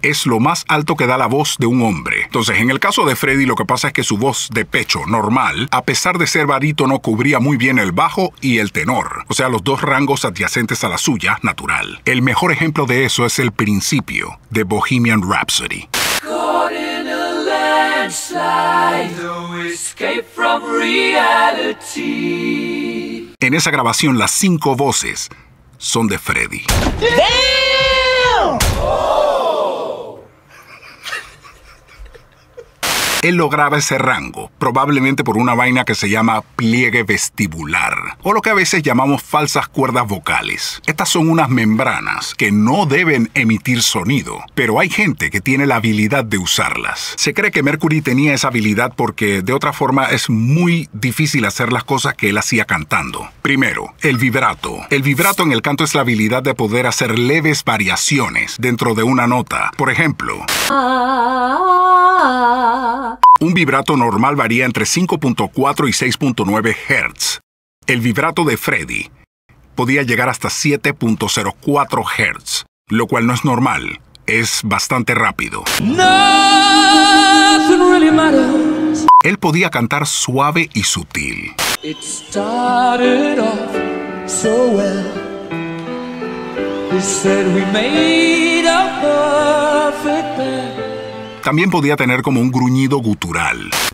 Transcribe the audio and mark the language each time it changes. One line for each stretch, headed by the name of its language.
Spanish: Es lo más alto que da la voz de un hombre. Entonces, en el caso de Freddie, lo que pasa es que su voz de pecho normal, a pesar de ser barítono, cubría muy bien el bajo y el tenor. O sea, los dos rangos adyacentes a la suya, natural. El mejor ejemplo de eso es el principio de Bohemian Rhapsody.
English: Caught in a landslide, no escape from reality.
Spanish: En esa grabación las 5 voces son de Freddie.
English: Damn! Oh!
Spanish: Él lograba ese rango, probablemente por una vaina que se llama pliegue vestibular, o lo que a veces llamamos falsas cuerdas vocales. Estas son unas membranas que no deben emitir sonido, pero hay gente que tiene la habilidad de usarlas. Se cree que Mercury tenía esa habilidad porque de otra forma es muy difícil hacer las cosas que él hacía cantando. Primero, el vibrato. El vibrato en el canto es la habilidad de poder hacer leves variaciones dentro de una nota. Por ejemplo, un vibrato normal varía entre 5.4 y 6.9 Hz. El vibrato de Freddy podía llegar hasta 7.04 Hz, lo cual no es normal, es bastante rápido.
English: Nothing really matters.
Spanish: Él podía cantar suave y sutil.
English: It started off so well. He said we made a perfect plan.
Spanish: También podía tener como un gruñido gutural.